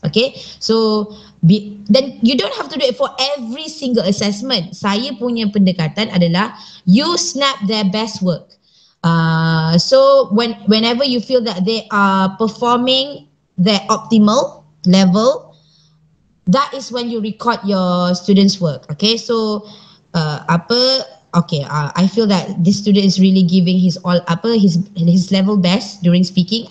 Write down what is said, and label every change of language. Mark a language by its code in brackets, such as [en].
[en] Okay, so then you don't have to do it for every single assessment. [ms] Saya punya pendekatan adalah [en] you snap their best work. So whenever you feel that they are performing their optimal level, that is when you record your students' work. Okay, so I feel that this student is really giving his all, his level best during speaking.